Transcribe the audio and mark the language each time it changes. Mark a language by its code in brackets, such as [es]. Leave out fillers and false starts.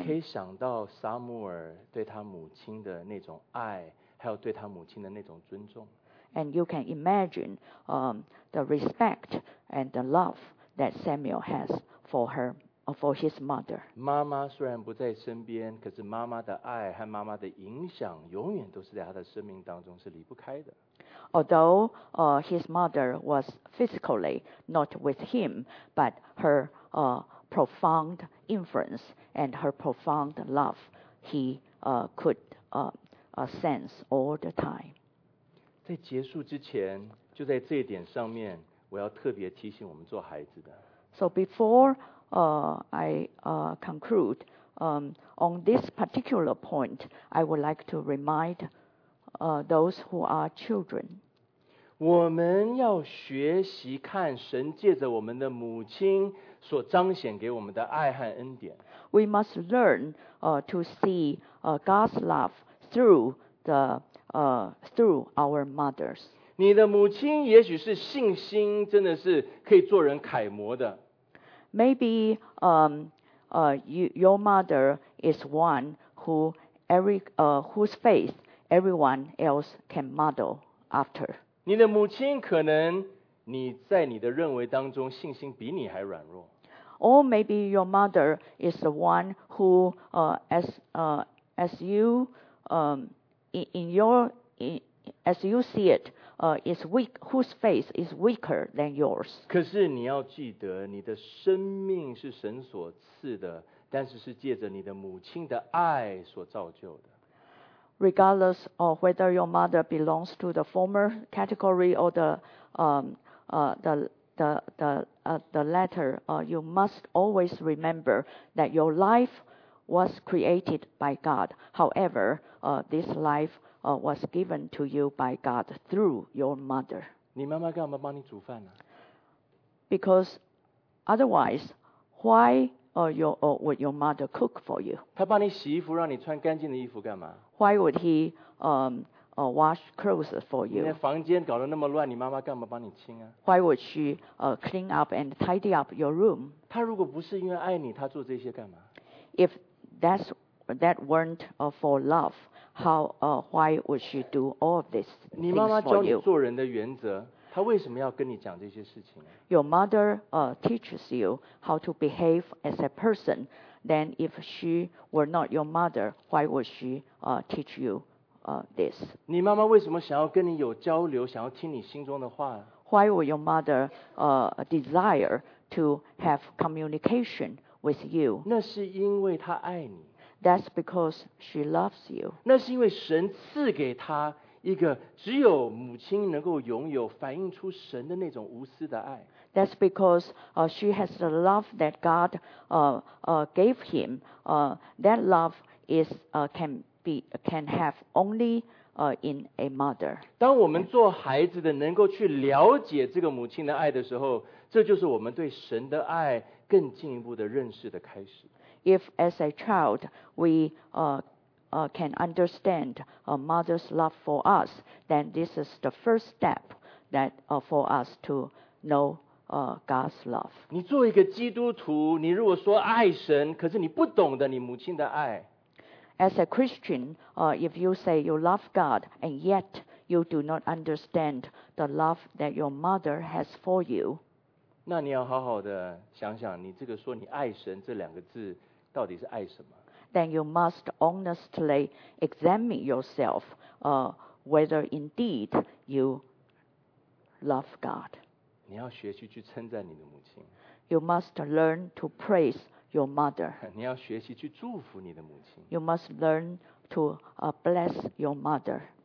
[zh] 你可以想到撒母耳对他母亲的那种爱，还有对他母亲的那种尊重。 [en] And you can imagine the respect and the love that Samuel has for her, for his mother. [zh] 妈妈虽然不在身边，可是妈妈的爱和妈妈的影响永远都是在他的生命当中是离不开的。 [en] Although his mother was physically not with him, but her profound influence and her profound love, he could sense all the time. [zh] 在结束之前，就在这一点上面，我要特别提醒我们做孩子的。 [en] So before conclude, on this particular point, I would like to remind those who are children. [zh] 我们要学习看神借着我们的母亲所彰显给我们的爱和恩典。 [en] We must learn to see God's love through the through our mothers. [zh] 你的母亲也许是信心真的是可以做人楷模的。 [en] Maybe your mother is one who whose faithEveryone else can model after. [zh] 你的母亲可能你在你的认为当中信心比你还软弱。 [en] Or maybe your mother is the one who, is weak, whose faith is weaker than yours. [zh] 可是你要记得，你的生命是神所赐的，但是是借着你的母亲的爱所造就的。 [en] Regardless of whether your mother belongs to the former category or the latter, you must always remember that your life was created by God. However, this life was given to you by God through your mother. [zh] 你妈妈干嘛帮你煮饭呢？ [en] Because otherwise, why would your mother cook for you? [zh] 她帮你洗衣服，让你穿干净的衣服干嘛？ [en] Why would he wash clothes for you? [zh] 你的房间搞得那么乱，你妈妈干嘛帮你清啊？ [en] Why would she clean up and tidy up your room? [zh] 她如果不是因为爱你，她做这些干嘛？ [en] If that weren't for love, how why would she do all of this things for you? [zh] 你妈妈教你做人的原则，她为什么要跟你讲这些事情？ [en] Your mother teaches you how to behave as a person. Then, if she were not your mother, why would she teach you this? [zh] 你妈妈为什么想要跟你有交流，想要听你心中的话？ [en] Why would your mother desire to have communication with you? [zh] 那是因为她爱你。 [en] That's because she loves you. [zh] 那是因为神赐给她一个只有母亲能够拥有、反映出神的那种无私的爱。 [en] That's because she has the love that God gave him. That love is can have only in a mother. [zh] 当我们做孩子的能够去了解这个母亲的爱的时候，这就是我们对神的爱更进一步的认识的开始。 [en] If as a child we can understand a mother's love for us, then this is the first step that for us to know God's love. [zh] 你作为一个基督徒，你如果说爱神，可是你不懂得你母亲的爱。 [en] As a Christian, if you say you love God and yet you do not understand the love that your mother has for you, [zh] 那你要好好的想想，你这个说你爱神这两个字到底是爱什么？ [en] Then you must honestly examine yourself, whether indeed you love God. [zh] 你要学习去称赞你的母亲。 [en] You must learn to praise your mother. [zh] 你要学习去祝福你的母亲。 [en] You must learn to bless your mother.